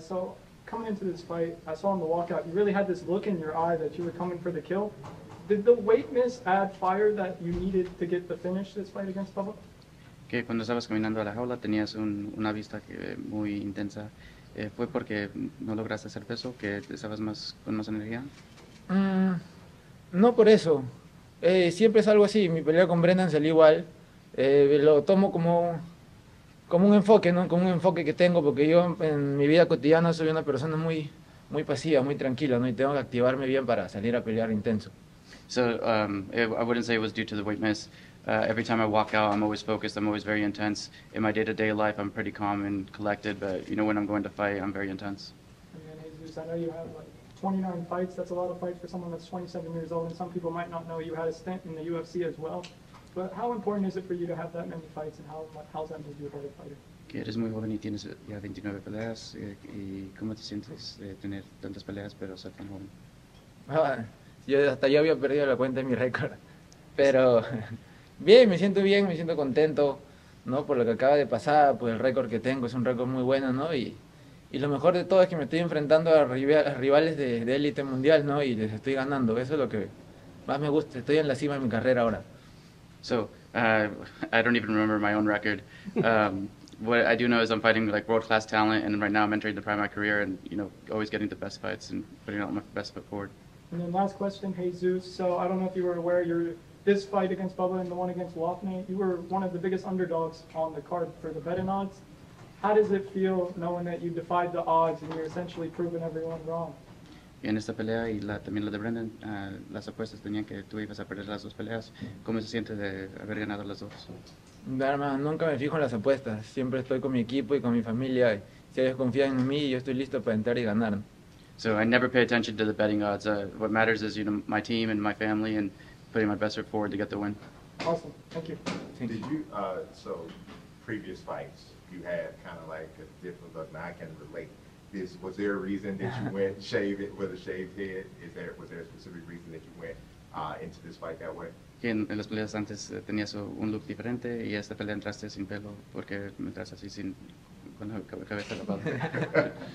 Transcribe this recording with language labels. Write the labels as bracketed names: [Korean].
[English] So coming into this fight, I saw in the walkout, you really had this look in your eye that you were coming for the kill. Did the weight miss add fire that you needed to get the finish this fight against Bubba? [Spanish] Que cuando estabas caminando a la jaula tenías una vista muy intensa. ¿Fue porque no lograste hacer peso, que estabas con más energía? No por eso. Siempre es algo así. Mi pelea con Brennan salió igual. Lo tomo como un enfoque, ¿no? Como un enfoque que tengo, porque yo en mi vida cotidiana soy una persona muy, muy pasiva, muy tranquila, ¿no? Y tengo que activarme bien para salir a pelear intenso. [English] I wouldn't say it was due to the weight miss. Every time I walk out, I'm always focused. I'm always very intense. In my day-to-day life, I'm pretty calm and collected, but when I'm going to fight, I'm very intense. I know you have like 29 fights. That's a lot of fights for someone that's 27 years old, and some people might not know you had a stint in the UFC as well. But how important is it for you to have that many fights, and how's that made you a better fighter? [Spanish] Que eres muy joven y tienes ya 29 peleas. ¿Y cómo te sientes de tener tantas peleas, pero ser tan joven? Ah, yo había perdido la cuenta de mi récord, pero bien, me siento contento, ¿no? Por lo que acaba de pasar, por el récord que tengo, es un récord muy bueno, ¿no? Y lo mejor de todo es que me estoy enfrentando a rivales de élite mundial, ¿no? Y les estoy ganando. Eso es lo que más me gusta. Estoy en la cima de mi carrera ahora. [English] I don't even remember my own record. What I do know is I'm fighting like world class talent, and right now I'm entering the prime of my career, and always getting the best fights and putting out my best foot forward. And then last question, hey Zeus. So I don't know if you were aware, this fight against Bubba and the one against Lofnate, you were one of the biggest underdogs on the card for the betting odds. How does it feel knowing that you defied the odds and you're essentially proving everyone wrong? [Spanish] En esta pelea y también la de Brendan, las apuestas tenían que tú ibas a perder las dos peleas. ¿Cómo se siente de haber ganado las dos? Darma, nunca me fijo en las apuestas. Siempre estoy con mi equipo y con mi familia. Y si ellos confían en mí, yo estoy listo para entrar y ganar. [English] So I never pay attention to the betting odds. What matters is, my team and my family and putting my best foot forward to get the win. Awesome. Thank you. Thank Did you. you so previous fights you had kind of like a different look, and I can relate. Was there a reason that you went shaved with a shaved head? Was there a specific reason that you went into this fight that way? [Spanish] En las peleas antes tenías un look diferente y esta pelea entraste sin pelo porque entraste así con la cabeza lavada.